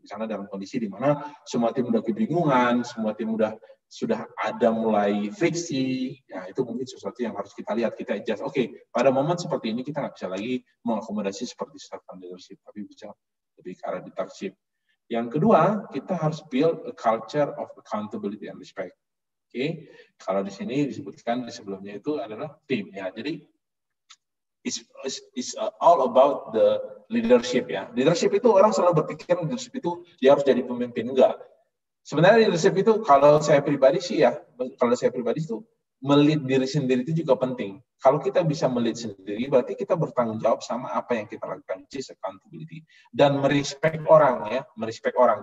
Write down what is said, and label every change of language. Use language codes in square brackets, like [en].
[id] Misalnya dalam kondisi di mana semua tim sudah kebingungan, semua tim sudah ada mulai friksi, ya itu mungkin sesuatu yang harus kita lihat, kita adjust. Oke, pada momen seperti ini kita nggak bisa lagi mengakomodasi seperti servant leadership, tapi bisa lebih ke arah dictatorship. Yang kedua, kita harus [en] build a culture of accountability and respect. [id] Oke, okay. Kalau di sini disebutkan di sebelumnya itu adalah tim ya. [en] Jadi it's all about the leadership ya. [id] Leadership itu orang selalu berpikir leadership itu dia harus jadi pemimpin, enggak. Sebenarnya leadership itu kalau saya pribadi itu melead diri sendiri itu juga penting. Kalau kita bisa melead sendiri berarti kita bertanggung jawab sama apa yang kita lakukan, which accountability, dan merespek orang.